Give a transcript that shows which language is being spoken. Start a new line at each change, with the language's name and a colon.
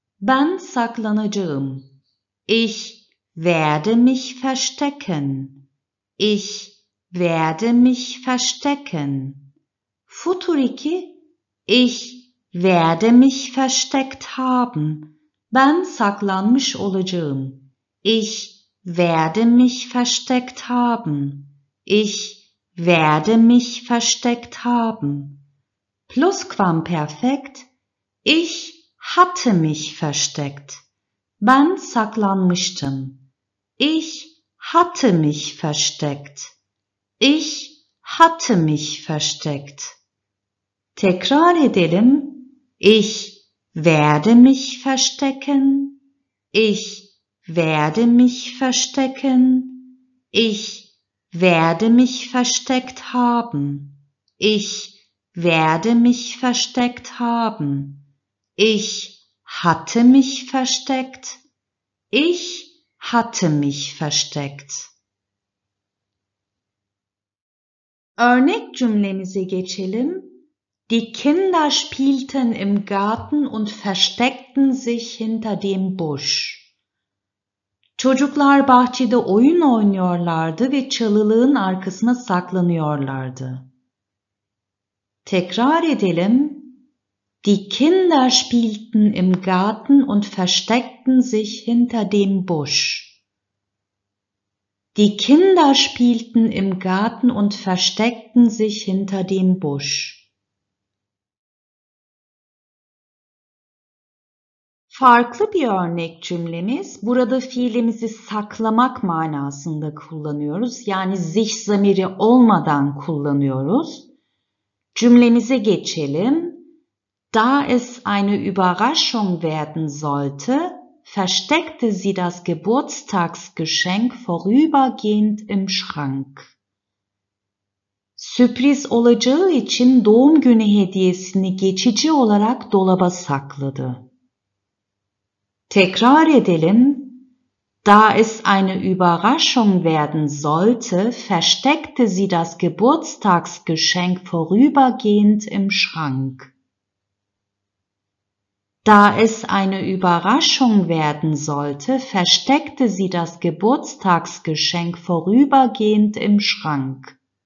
Turkish: Ben saklanacağım.
German: Ich werde mich verstecken. Ich werde mich verstecken. Futur iki, ich werde mich versteckt haben.
Turkish: Ben saklanmış olacağım.
German: Ich werde mich versteckt haben. Ich werde mich versteckt haben. Plusquamperfekt. Ich hatte mich versteckt.
Turkish: Ben saklanmıştım.
German: Ich hatte mich versteckt. Ich hatte mich versteckt.
Turkish: Tekrar edelim.
German: Ich werde mich verstecken. Ich werde mich verstecken. Ich werde mich versteckt haben. Ich werde mich versteckt haben. Ich hatte mich versteckt. Ich hatte mich versteckt.
Turkish: Örnek cümlemize geçelim.
German: Die Kinder spielten im Garten und versteckten sich hinter dem Busch.
Turkish: Çocuklar bahçede oyun oynuyorlardı ve çalılığın arkasına saklanıyorlardı. Tekrar edelim.
German: Die Kinder spielten im Garten und versteckten sich hinter dem Busch. Die Kinder spielten im Garten und versteckten sich hinter dem Busch.
Turkish: Farklı bir örnek cümlemiz, burada fiilimizi saklamak manasında kullanıyoruz. Yani sich zamiri olmadan kullanıyoruz. Cümlemize geçelim.
German: Da es eine Überraschung werden sollte, versteckte sie das Geburtstagsgeschenk vorübergehend im Schrank.
Turkish: Sürpriz olacağı için doğum günü hediyesini geçici olarak dolaba sakladı. Tekrar edelim.
German: Da es eine Überraschung werden sollte, versteckte sie das Geburtstagsgeschenk vorübergehend im Schrank. Da es eine Überraschung werden sollte, versteckte sie das Geburtstagsgeschenk vorübergehend im Schrank.